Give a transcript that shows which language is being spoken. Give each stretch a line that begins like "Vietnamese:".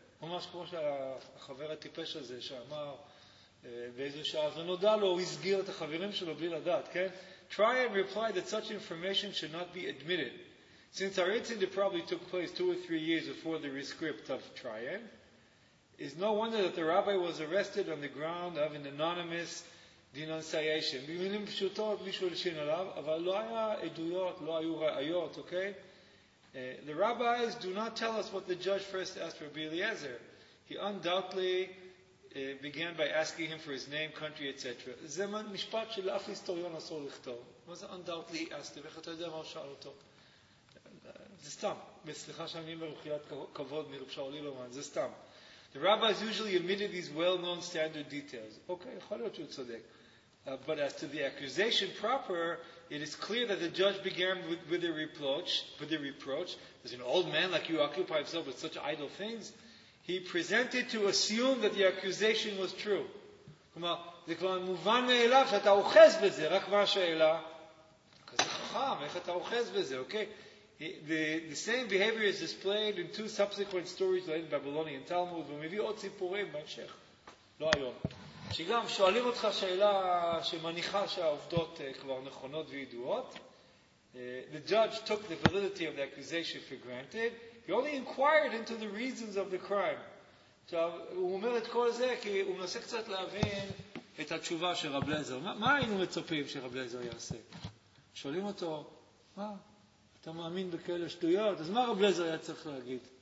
Hebrew: ממש כמו שהחבר הטיפש הזה שאמר באיזו שעה, ונודע לו, הוא הסגיר את החברים שלו בלי לדעת, כן?
English: Tryon replied that such information should not be admitted, since our incident probably took place 2 or 3 years before the rescript of Tryon. It's no wonder that the rabbi was arrested on the ground of an anonymous denunciation.
Hebrew: במילים פשוטות, מישהו לשין עליו, אבל לא היה עדויות, לא היו ראיות, אוקיי?
English: The rabbis do not tell us what the judge first asked for Eliezer. He undoubtedly began by asking him for his name, country, etc.
Hebrew: זה משפט של אף היסטוריון אסור לכתוב. מה זה
English: undoubtedly asked him?
Hebrew: איך אתה יודע מה הוא שאל אותו? זה סתם. בסליחה שאני מרוחיית כבוד מרופשאו לילומן. זה סתם.
English: The rabbis usually omitted these well-known standard details.
Hebrew: אוקיי, יכול להיות שהוא צודק.
English: But as to the accusation proper, it is clear that the judge began with a reproach. As an old man like you occupy himself with such idle things, he presented to assume that the accusation was true.
Hebrew: כלומר, זה כבר מובן מאליו שאתה אוחז בזה, רק מה השאלה? כזה חכם, איך אתה אוחז בזה, אוקיי?
English: The same behavior is displayed in 2 subsequent stories related to Babylonian Talmud,
Hebrew: ומביא עוד סיפורים בהמשך, לא היום. שגם שואלים אותך שאלה שמניחה שהעובדות כבר נכונות וידועות.
English: The judge took the validity of the accusation for granted. He only inquired into the reasons of the crime.
Hebrew: עכשיו, הוא אומר את כל זה כי הוא מנסה קצת להבין את התשובה של רב לזר. מה היינו מצופים שרב לזר יעשה? שואלים אותו, מה? אתה מאמין בכאלה שטויות? אז מה רב לזר היה צריך להגיד?